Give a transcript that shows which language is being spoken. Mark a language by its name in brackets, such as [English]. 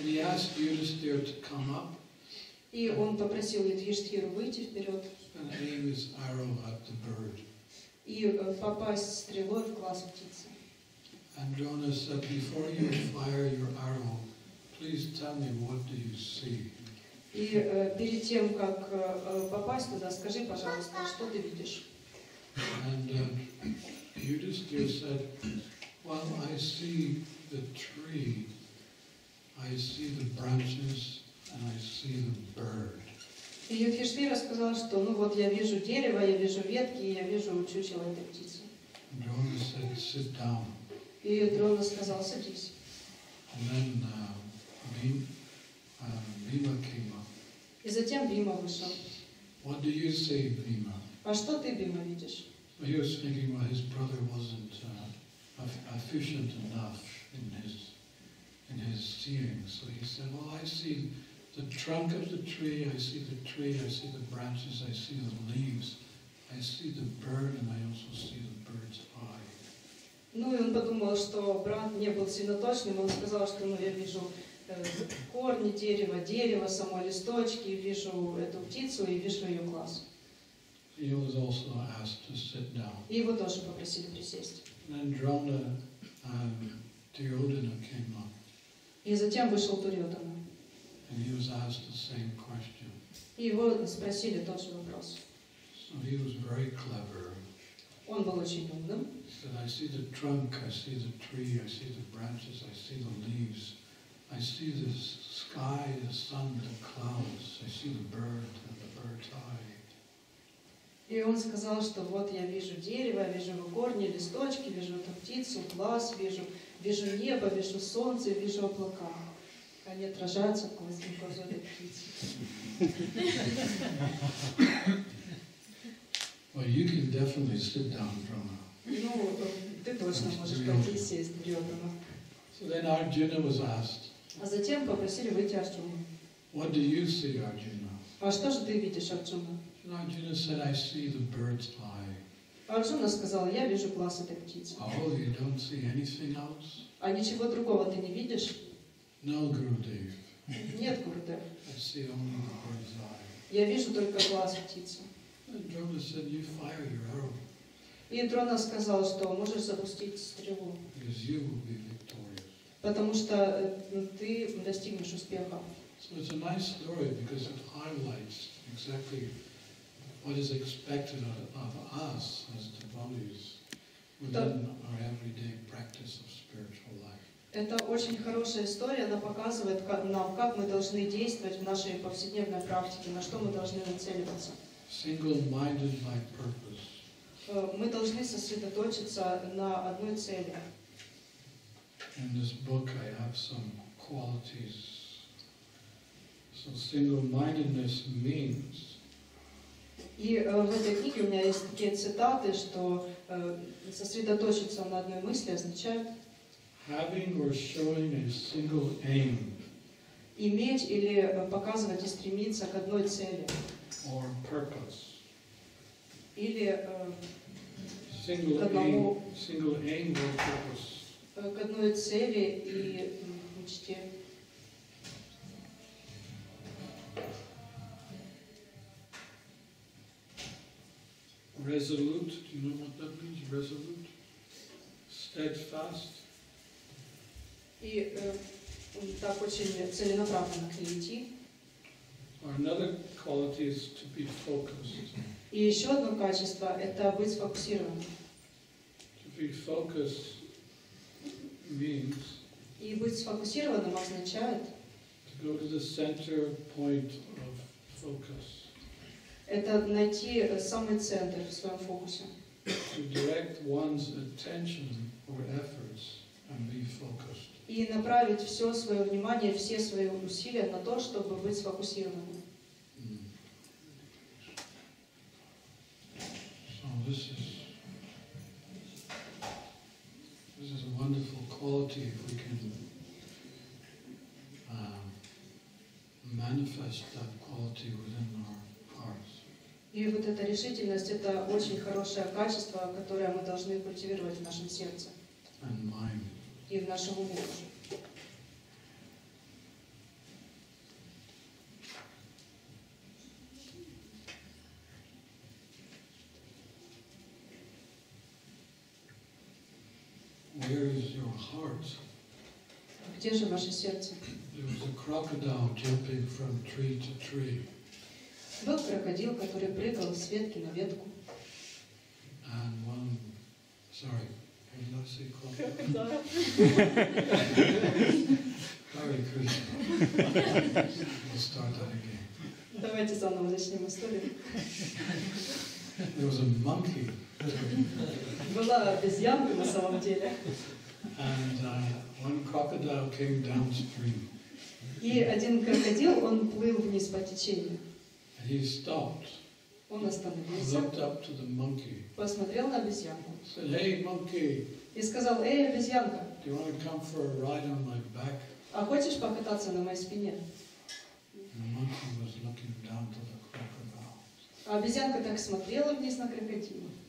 [English] And he asked Yudhishthira to come up. [Russian] И он попросил Юдхиштхиру выйти вперед. [English] And aim his arrow at the bird. [Russian] И попасть стрелой в глаз птицы. [English] And Drona said, before you fire your arrow, please tell me what do you see. [Russian] И перед тем, как попасть туда, скажи, пожалуйста, что ты видишь? [English] And Yudhishthira said, well, I see the tree, I see the branches, and I see the bird. [Russian] И Юдхиштхира сказал, что ну вот я вижу дерево, я вижу ветки, я вижу чучело этой птицы. [English] And Drona said, sit down. [Russian] И Дрона сказал, садись. [English] And then Bhima came up. [Russian] И затем Бхима вышел. [English] What do you see, Bhima? [Russian] А что ты, Бхима, видишь? [English] He was thinking, well, his brother wasn't efficient enough in his seeing. So he said, well, I see the trunk of the tree, I see the tree, I see the branches, I see the leaves, I see the bird, and I also see the bird's eye. [Russian] Ну и он подумал, что брат не был сильно точным, он сказал, что ну я вижу корни дерева, дерево, само листочки, вижу эту птицу и вижу ее глаз. [English] He was also asked to sit down. [Russian] И его тоже попросили присесть. [English] And Drona and Duryodhana came up. [Russian] И затем вышел Дурьодхана. [English] And he was asked the same question. [Russian] И его спросили тот же вопрос. [English] So he was very clever. [Russian] Он был очень умным. [English] He said, I see the trunk, I see the tree, I see the branches, I see the leaves. I see the sky, the sun, the clouds. I see the bird and the bird's eye. [Russian] И он сказал, что вот я вижу дерево, вижу корни, листочки, вижу эту птицу, глаз, вижу небо, вижу солнце, вижу облака. Они отражаются в глазу этой птицы. [English] Well, you can definitely sit down, Drona. [Russian] Ну, ты точно можешь пойти сесть, Дрёдана. [English] So then Arjuna was asked. [Russian] А затем попросили выйти Арджуну. [English] What do you see, Arjuna? [Russian] А что же ты видишь, Арджуна? [English] Arjuna said, I see the bird's eye. [Russian] Арджуна сказал, я вижу глаз этой птицы. [English] Oh, you don't see anything else? [Russian] А ничего другого ты не видишь? [English] No, Gurudev. [Russian] Нет, Гурудев. [English] I see only the bird's eye. [Russian] Я вижу только глаз птицы. [English] And Drona said, you fire your arrow. [Russian] И Дрона сказал, что можешь запустить стрелу. [English] Because you will be victorious. [Russian] Потому что ты достигнешь успеха. [English] So it's a nice story because it highlights exactly what is expected of us as devotees within our everyday practice of spiritual life. [Russian] Это очень хорошая история. Она показывает нам, как мы должны действовать в нашей повседневной практике, на что мы должны нацеливаться. [English] Single-minded by purpose. [Russian] Мы должны сосредоточиться на одной цели. [English] In this book I have some qualities. So single-mindedness means. [Russian] И в этой книге у меня есть такие цитаты, что сосредоточиться на одной мысли означает [English] having or showing a single aim. [Russian] Иметь или показывать и стремиться к одной цели. [English] Or purpose. [Russian] Или [English] single aim or purpose. [Russian] К одной цели и мечте. [English] Mm. resolute. Do you know what that means? Resolute, steadfast. [Russian] И так очень целенаправленно к ней идти. [English] Or another quality is to be focused. [Russian] И еще одно качество – это быть сфокусированным. [English] To be focused means. [Russian] И быть сфокусированным означает. [English] To go to the center point of focus. [Russian] Это найти самый центр в своем фокусе. [English] To direct one's attention or efforts and be focused. [Russian] И направить все свое внимание, все свои усилия на то, чтобы быть сфокусированным. [English] So this is a wonderful quality if we can manifest that quality within our hearts. [Russian] И вот эта решительность – это очень хорошее качество, которое мы должны культивировать в нашем сердце. [English] And mind. [Russian] И в нашем уме. [English] Where is your heart? [Russian] Где же ваше сердце? [English] There was a crocodile jumping from tree to tree. [Russian] Был крокодил, который прыгал с ветки на ветку. [English] And one, sorry. Did I say crocodile? Hare Krishna. We'll start that again. [Russian] Давайте заново начнем историю. [English] There was a monkey. [Russian] Была обезьянка на самом деле. [English] And one crocodile came downstream. [Russian] И один крокодил, он плыл вниз по течению. [English] And he stopped. [Russian] Он остановился. [English] Looked up to the monkey. [Russian] Посмотрел на обезьянку. [English] Said, "Hey, monkey." [Russian] И сказал, эй, обезьянка, [English] do you want to come for a ride on my back? [Russian] А хочешь покататься на моей спине? [English] The monkey was looking down to the crocodile. [Russian] А обезьянка так смотрела вниз на крокодила.